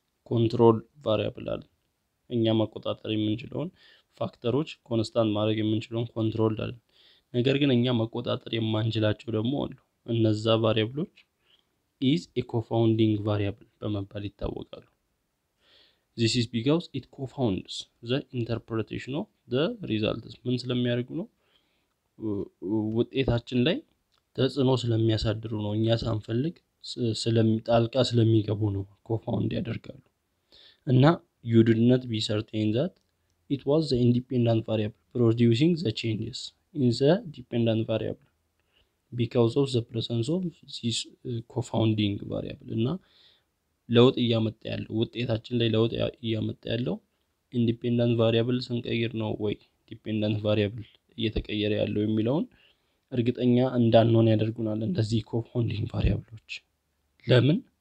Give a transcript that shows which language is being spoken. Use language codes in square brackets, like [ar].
[am] ኮንትሮል ቫሪያብል አለን። እኛ መቆጣጠር የምንችለውን ፋክተሮች ኮንስታንት ማድረግ የምንችለውን ኮንትሮል አለን። ነገር ግን እኛ መቆጣጠር የማንችላቸው ደግሞ አሉ። እነዛ ቫሪያብሎች [en] is a confounding variable [am] በመባል ይታወቃሉ። [en] This is because it confounds the interpretation of the results. [am] ምን ስለሚያደርጉ ነው? ውጤታችን ላይ ተጽዕኖ ስለሚያሳድሩ ነው። እኛ ሳንፈልግ ጣልቃ ስለሚገቡ ነው ኮፋውንድ ያደርጋሉ። እና [en] you did not be certain that it was the independent variable producing the changes in the dependent variable because of the presence of this confounding variable. [am] እና ለውጥ እያመጣ ያለው ውጤታችን ላይ ለውጥ እያመጣ ያለው independent variable ስንቀይር ነው ወይ dependent variable እየተቀየረ ያለው የሚለውን እርግጠኛ እንዳንሆን ያደርጉናል እንደዚህ ኮምፓውንዲንግ ቫሪያብሎች። ለምን?